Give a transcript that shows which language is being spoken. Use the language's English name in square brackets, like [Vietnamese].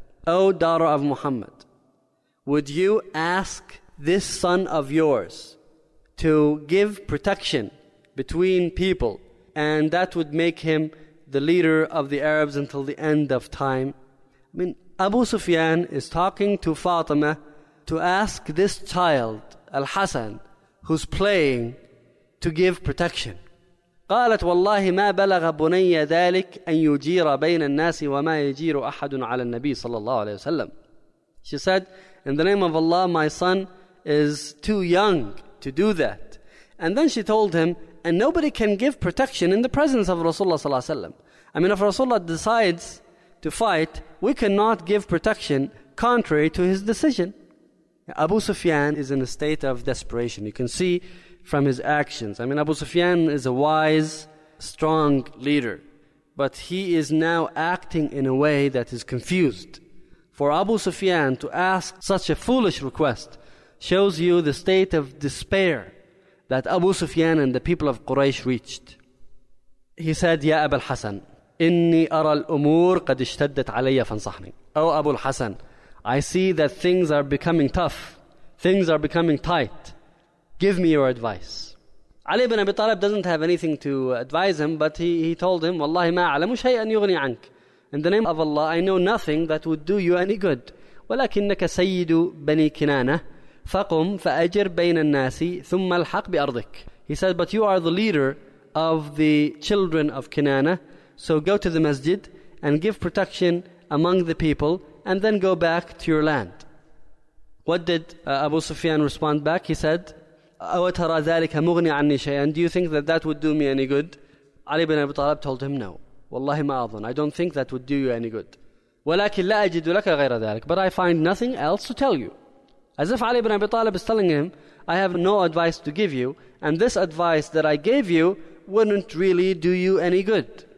[English] O daughter of Muhammad, would you ask this son of yours to give protection between people and that would make him the leader of the Arabs until the end of time? I mean, Abu Sufyan is talking to Fatima to ask this child, Al-Hasan, who's playing, to give protection. [Arabic] قالت والله ما بلغ بني ذلك أن يجير بين الناس وما يجير أحد على النبي صلى الله عليه وسلم. [English] She said, in the name of Allah, my son is too young to do that. And then she told him, and nobody can give protection in the presence of Rasulullah صلى الله عليه وسلم. I mean, if Rasulullah decides to fight, we cannot give protection contrary to his decision. Abu Sufyan is in a state of desperation. You can see from his actions. I mean, Abu Sufyan is a wise, strong leader. But he is now acting in a way that is confused. For Abu Sufyan to ask such a foolish request shows you the state of despair that Abu Sufyan and the people of Quraysh reached. He said, [Arabic] Ya Abu al-Hasan, إِنِّي أَرَى الْأُمُورِ قَدْ اشْتَدَّتْ عَلَيَّ فَانْصَحْنِي. [English] O Abu al-Hasan, I see that things are becoming tough. Things are becoming tight. Give me your advice. Ali ibn Abi Talib doesn't have anything to advise him, but he told him, [Arabic] وَاللَّهِ مَا أَعْلَمُ شَيْئًا يُغْنِي عَنْكَ. [English] In the name of Allah, I know nothing that would do you any good. [Arabic] وَلَكِنَّكَ سَيِّدُ بَنِي كِنَانَةِ فَقُمْ فَأَجِرْ بَيْنَ النَّاسِ ثُمَّ الْحَقْ بِأَرْضِكَ. [English] He said, but you are the leader of the children of Kinana, so go to the masjid and give protection among the people, and then go back to your land. What did Abu Sufyan respond back? He said, [Arabic] أَوَتَرَى ذَلِكَ مُغْنِي عَنِّي شَيْئًا. [English] Do you think that that would do me any good? Ali ibn Abi Talib told him, no. [Arabic] وَاللَّهِ مَا أَظُنُ. [English] I don't think that would do you any good. [Arabic] وَلَكِنْ لَا أَجِدُ لَكَ غَيْرَ ذَلِكَ. [English] But I find nothing else to tell you. As if Ali ibn Abi Talib is telling him, I have no advice to give you, and this advice that I gave you wouldn't really do you any good.